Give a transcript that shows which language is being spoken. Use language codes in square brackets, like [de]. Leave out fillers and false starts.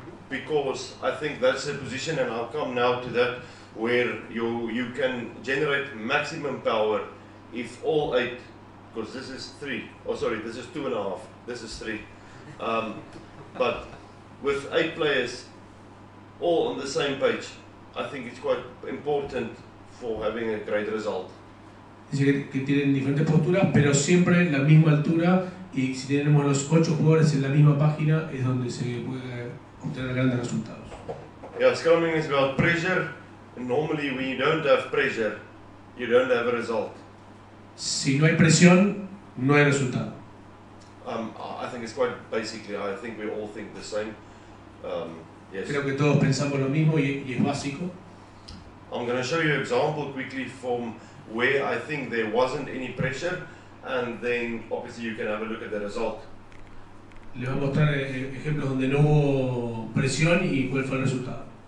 [en] Because I think that's the position, and I'll come now to that, where you can generate maximum power if all 8, because this is 3, oh sorry, this is 2.5. This is 3. But with 8 players all on the same page, I think it's quite important for having a great result. [es] Dice que tienen diferentes posturas, pero siempre en la misma altura, y si tenemos los 8 jugadores en la misma página, es donde se puede obtener grandes resultados. [en] Yeah, scrumming is about pressure. Normally, when you don't have pressure, you don't have a result. [es] Si no hay presión, no hay resultado. [en] I think it's quite basically, I think we all think the same. Yes. [es] Creo que todos pensamos lo mismo y es básico. [en] I'm going to show you an example quickly from where I think there wasn't any pressure, and then obviously you can have a look at the result. [es] le va a mostrar ejemplos donde no hubo presión y cuál fue el resultado.